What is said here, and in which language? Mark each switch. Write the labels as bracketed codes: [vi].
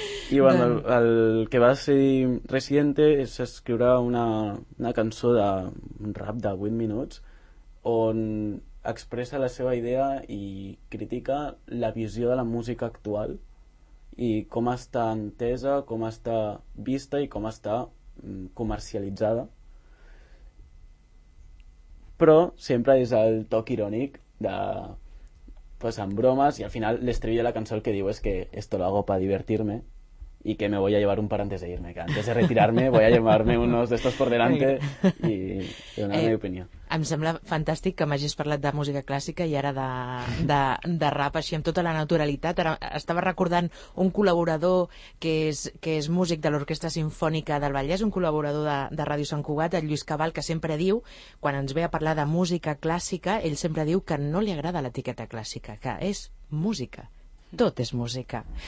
[ca] I bueno, el que va ser Residente és escriure una cançó de un rap de 8 minuts on expressa la seva idea i critica la visió de la música actual i com està entesa, com està vista i com està comercialitzada. Però sempre és el toc irònic de... pues amb bromes, i al final l'estribillo de la cançó el que diu és que [es] esto lo hago para divertirme y que me voy a llevar un par antes de irme, que antes de retirarme voy a llevarme unos de estos por delante y donar mi opinión. [ca] Em sembla fantàstic que m'hagis parlat de música clàssica i ara de rap així amb tota la naturalitat. Ara estava recordant un col·laborador que és músic de l'Orquestra Simfònica del Vallès, un col·laborador de Ràdio Sant Cugat, el Lluís Cabal, que sempre diu, quan ens ve a parlar de música clàssica, ell sempre diu que no li agrada l'etiqueta clàssica, que és música. Tot és música.